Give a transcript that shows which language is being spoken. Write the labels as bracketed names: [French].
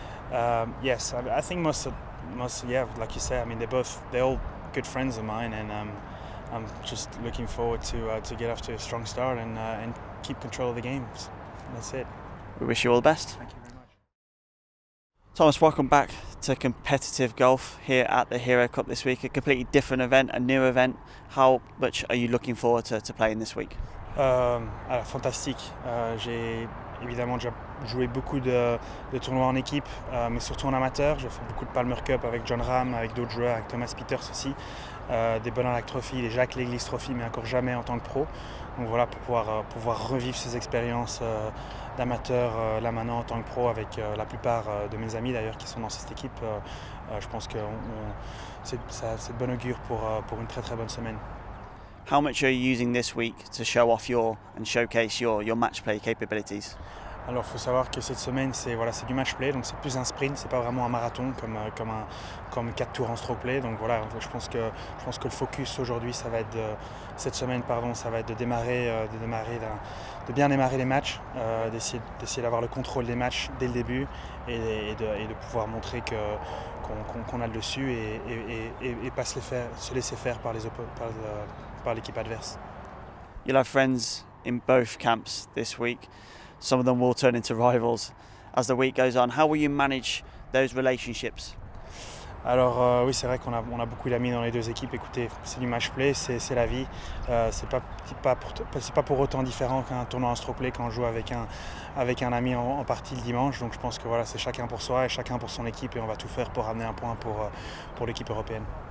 [English] So, yes, I think most, like you say, I mean, they're all good friends of mine, and I'm just looking forward to get off to a strong start and keep control of the games. That's it. We wish you all the best. Thank you very much. Thomas, welcome back to competitive golf here at the Hero Cup this week. A completely different event, a new event. How much are you looking forward to playing this week? Fantastic. [French] Évidemment, j'ai joué beaucoup de tournois en équipe, mais surtout en amateur. J'ai fait beaucoup de Palmer Cup avec John Rahm, avec d'autres joueurs, avec Thomas Peters aussi, des Bonalac Trophy, des Jack Leglis Trophy, mais encore jamais en tant que pro. Donc voilà, pour pouvoir revivre ces expériences d'amateur là maintenant en tant que pro avec la plupart de mes amis d'ailleurs qui sont dans cette équipe, je pense que c'est de bon augure pour une très très bonne semaine. [English] How much are you using this week to show off and showcase your match play capabilities? [French] Alors, faut savoir que cette semaine, c'est du match play, donc c'est plus un sprint, c'est pas vraiment un marathon comme 4 tours en stroke play. Donc voilà, je pense que le focus aujourd'hui, ça va être de bien démarrer les matchs, d'essayer d'avoir le contrôle des matchs dès le début et de pouvoir montrer qu'on a le dessus et pas se laisser faire par l'équipe adverse. [English] You'll have friends in both camps this week. Some of them will turn into rivals as the week goes on. How will you manage those relationships? [French] Alors oui, c'est vrai qu'on a beaucoup d'amis dans les deux équipes. Écoutez, c'est du match play, c'est la vie. C'est pas pour autant différent qu'un tournoi en stroke play quand on joue avec un ami en partie le dimanche. Donc je pense que voilà, c'est chacun pour soi et chacun pour son équipe et on va tout faire pour amener un point pour l'équipe européenne.